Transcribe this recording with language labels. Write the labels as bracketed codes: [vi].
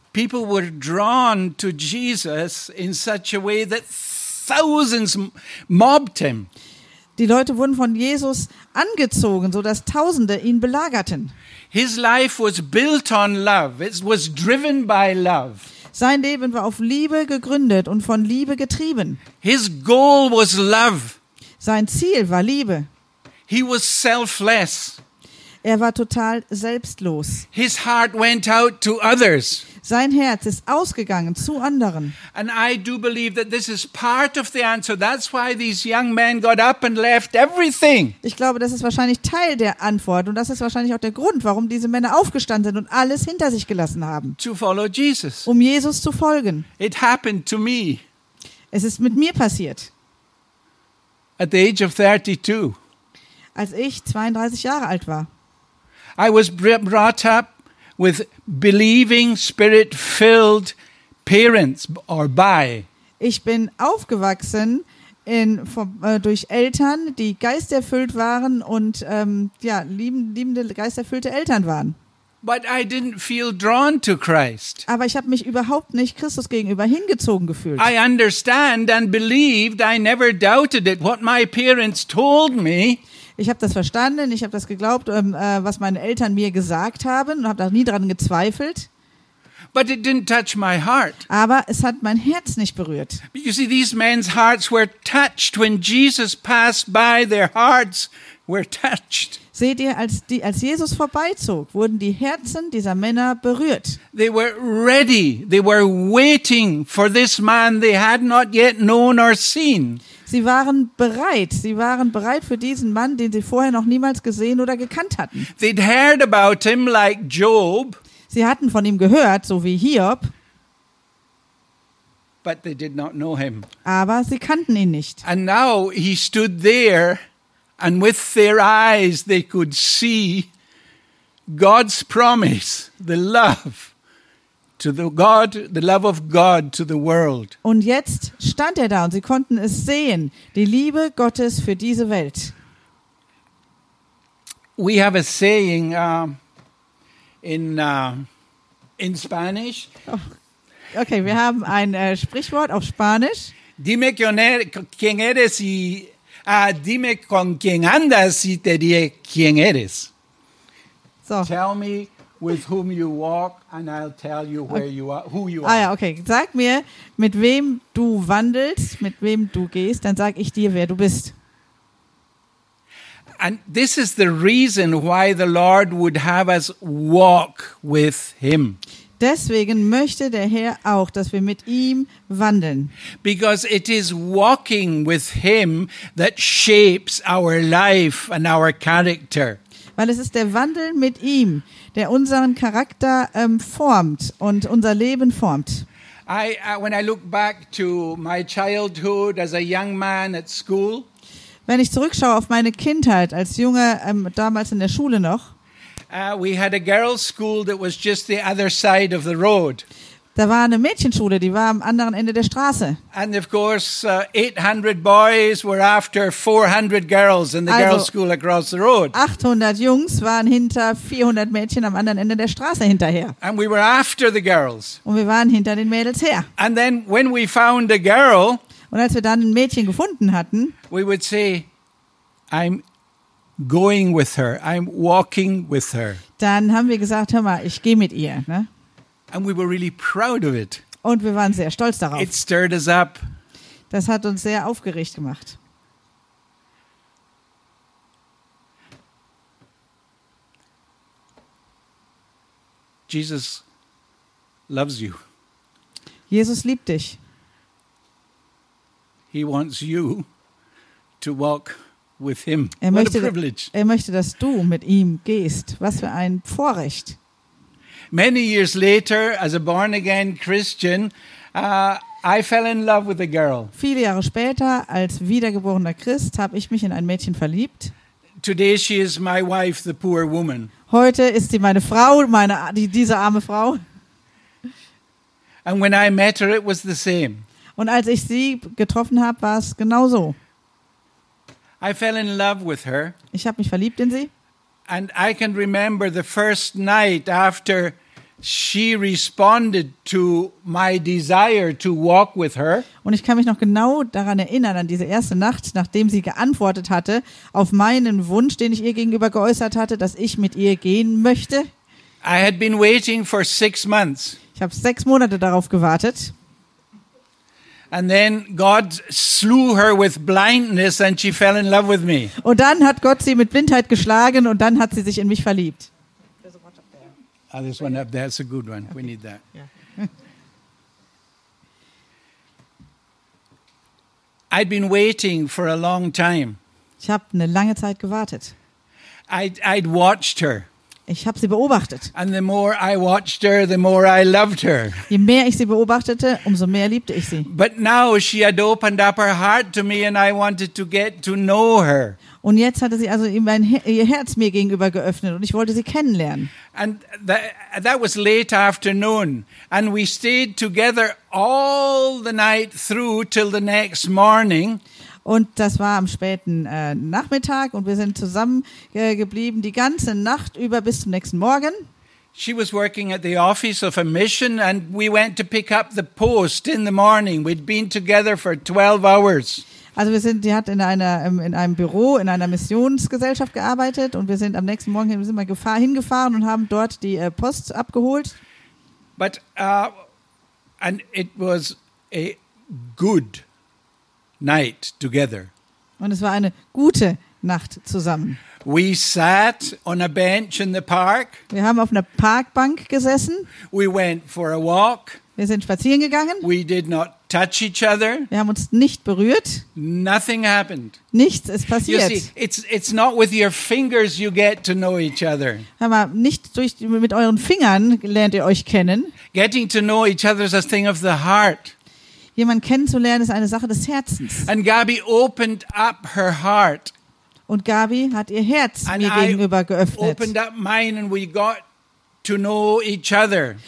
[en] People were drawn to Jesus in such a way that thousands mobbed him. [de] Die Leute wurden von Jesus angezogen, so dass Tausende ihn belagerten. [en] His life was built on love. It was driven by love. [de] Sein Leben war auf Liebe gegründet und von Liebe getrieben. [en] His goal was love. [de] Sein Ziel war Liebe. [en] He was selfless. [de] Er war total selbstlos. [en] His heart went out to others. [de] Sein Herz ist ausgegangen zu anderen. [en] And I do believe that this is part of the answer. That's why these young men got up and left everything. [de] Ich glaube, das ist wahrscheinlich Teil der Antwort und das ist wahrscheinlich auch der Grund, warum diese Männer aufgestanden sind und alles hinter sich gelassen haben. [en] To follow Jesus. [de] Um Jesus zu folgen. [en] It happened to me. [de] Es ist mit mir passiert. [en] At the age of 32. [de] Als ich 32 Jahre alt war. [en] I was brought up with believing, spirit-filled parents or by. [de] Ich bin aufgewachsen durch Eltern, die geisterfüllt waren und liebende, geisterfüllte Eltern waren. [en] But I didn't feel drawn to Christ. [de] Aber ich habe mich überhaupt nicht Christus gegenüber hingezogen gefühlt. [en] I understand and believed, I never doubted it, what my parents told me. [de] Ich habe das verstanden, ich habe das geglaubt, was meine Eltern mir gesagt haben und habe da nie dran gezweifelt. [en] But it didn't touch my heart. [de] Aber es hat mein Herz nicht berührt. [en] You see, these men's hearts were touched when Jesus passed by, their hearts were touched. [de] Seht ihr, als Jesus vorbeizog, wurden die Herzen dieser Männer berührt. [en] They were ready. They were waiting for this man they had not yet known or seen. [de] Sie waren bereit. Sie waren bereit für diesen Mann, den sie vorher noch niemals gesehen oder gekannt hatten. [en] They'd heard about him like Job. [de] Sie hatten von ihm gehört, so wie Hiob. [en] But they did not know him. [de] Aber sie kannten ihn nicht. [en] And now he stood there, and with their eyes they could see God's promise, the love to the God, the love of God to the world. [de] Und jetzt stand er da und sie konnten es sehen, die Liebe Gottes für diese Welt. [en] We have a saying in Spanish. [de] Okay, wir haben ein Sprichwort auf Spanisch. [es] Dime quién eres y dime con quién andas y te diré quién eres. [en] So. Tell me with whom you walk and I'll tell you where you are, who you are. [de] Ah ja, okay. Sag mir, mit wem du wandelst, mit wem du gehst, dann sag ich dir, wer du bist. [en] And this is the reason why the Lord would have us walk with him. [de] Deswegen möchte der Herr auch, dass wir mit ihm wandeln. [en] Because it is walking with him that shapes our life and our character. [de] Weil es ist der Wandel mit ihm, der unseren Charakter formt und unser Leben formt. [en] When I look back to my childhood as a young man at school, [de] wenn ich zurückschaue auf meine Kindheit als Junge damals in der Schule noch. [en] We had a girls' school that was just the other side of the road. [de] Da war eine Mädchenschule, die war am anderen Ende der Straße. [en] And of course, 800 boys were after 400 girls in the girls' school across the road. [de] 800 Jungs waren hinter 400 Mädchen am anderen Ende der Straße hinterher. [en] And we were after the girls. [de] Und wir waren hinter den Mädels her. [en] And then when we found a girl, [de] und als wir dann ein Mädchen gefunden hatten, [en] we would say, I'm going with her, I'm walking with her. [de] Dann haben wir gesagt, hör mal, ich gehe mit ihr, ne? [en] And we were really proud of it. [de] Und wir waren sehr stolz darauf. [en] It stirred us up. [de] Das hat uns sehr aufgeregt gemacht. [en] Jesus loves you. [de] Jesus liebt dich. [en] He wants you to walk with him. [de] Er möchte, dass du mit ihm gehst. Was für ein Vorrecht. [en] Many years later, as a born again Christian, I fell in love with a girl. [de] Viele Jahre später, als wiedergeborener Christ, habe ich mich in ein Mädchen verliebt. [en] Today she is my wife, the poor woman. [de] Heute ist sie meine Frau, diese arme Frau. [en] And when I met her, it was the same. [de] Und als ich sie getroffen habe, war es genauso. [en] I fell in love with her. [de] Ich habe mich verliebt in sie. [en] And I can remember the first night after she responded to my desire to walk with her. [de] Und ich kann mich noch genau daran erinnern, an diese erste Nacht, nachdem sie geantwortet hatte auf meinen Wunsch, den ich ihr gegenüber geäußert hatte, dass ich mit ihr gehen möchte. [en] I had been waiting for 6 months. [de] Ich habe 6 Monate darauf gewartet. [en] And then God slew her with blindness and she fell in love with me. [de] Und dann hat Gott sie mit Blindheit geschlagen und dann hat sie sich in mich verliebt. [en] There's one up there. That's a good one. Okay. We need that. Yeah. I'd been waiting for a long time. [de] Ich habe eine lange Zeit gewartet. [en] I'd watched her. [de] Ich habe sie beobachtet. [en] And the more I watched her, the more I loved her. [de] Je mehr ich sie beobachtete, umso mehr liebte ich sie. [en] But now she had opened up her heart to me and I wanted to get to know her. [de] Und jetzt hatte sie also ihr Herz mir gegenüber geöffnet und ich wollte sie kennenlernen. [en] And that was late afternoon and we stayed together all the night through till the next morning. [de] Und das war am späten Nachmittag und wir sind zusammen geblieben die ganze Nacht über bis zum nächsten Morgen. [en] She was working at the office of a mission and we went to pick up the post in the morning. We'd been together for 12 hours. [de] Also die hat in einem Büro in einer Missionsgesellschaft gearbeitet und wir sind am nächsten Morgen hingefahren und haben dort die Post abgeholt. [en] But and it was a good night together. [de] Und es war eine gute Nacht zusammen. [en] We sat on a bench in the park. [de] Wir haben auf einer Parkbank gesessen. [en] We went for a walk. [de] Wir sind spazieren gegangen. [en] We did not touch each other. [de] Wir haben uns nicht berührt. [en] Nothing happened. [de] Nichts ist passiert. [en] You see, it's not with your fingers you get to know each other. [de] Hör mal, nicht durch mit euren Fingern lernt ihr euch kennen. [en] Getting to know each other is a thing of the heart. [de] Jemanden kennenzulernen ist eine Sache des Herzens. [en] And Gabi opened up her heart. [de] Und Gabi hat ihr Herz [en] and [de] mir gegenüber [en] I [de] geöffnet. [en] Opened up mine and we got to know each other.